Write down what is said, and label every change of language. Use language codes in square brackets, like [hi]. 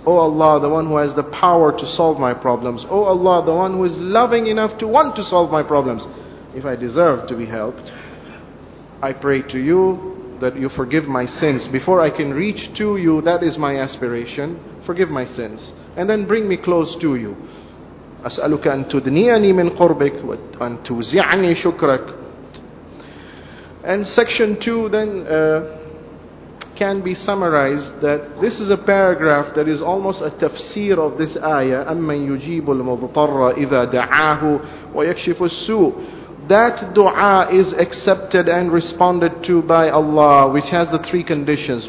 [en] O Allah, the one who has the power to solve my problems. O Allah, the one who is loving enough to want to solve my problems. If I deserve to be helped, I pray to you that you forgive my sins. Before I can reach to you, that is my aspiration. Forgive my sins. And then bring me close to you. [ar] أسألك أن تدنيني من قربك وأن توزعني شكرك. [en] And section 2 then can be summarized that this is a paragraph that is almost a tafsir of this ayah. [ar] أَمَّنْ يُجِيبُ الْمُضْطَرَّ إِذَا دَعَاهُ وَيَكْشِفُ السُّوءُ. [en] That dua is accepted and responded to by Allah, which has the three conditions.